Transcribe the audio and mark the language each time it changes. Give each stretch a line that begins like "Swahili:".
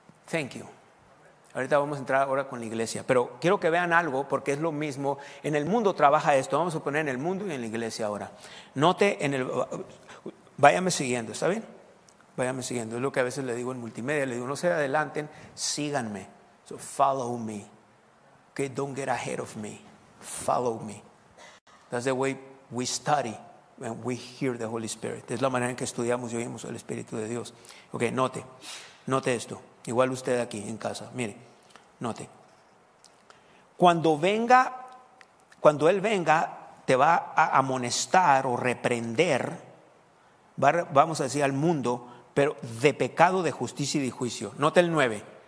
English: Thank you.
Spanish: Ahorita vamos a entrar ahora con la iglesia, pero quiero que vean algo porque es lo mismo. En el mundo trabaja esto, vamos a poner en el mundo y en la iglesia ahora. Note en el, váyame siguiendo, ¿está bien? Váyame siguiendo, es lo que a veces le digo en multimedia, le digo no se adelanten, síganme.
English: So follow me, okay, don't get ahead of me, follow me. That's the way we study when we hear the Holy Spirit.
Spanish: Es la manera en que estudiamos y oímos el Espíritu de Dios. Ok, note esto. Igual usted aquí en casa, mire, note. Cuando Él venga, te va a amonestar o reprender, vamos a decir al mundo, pero de pecado, de justicia y de juicio. Note el 9.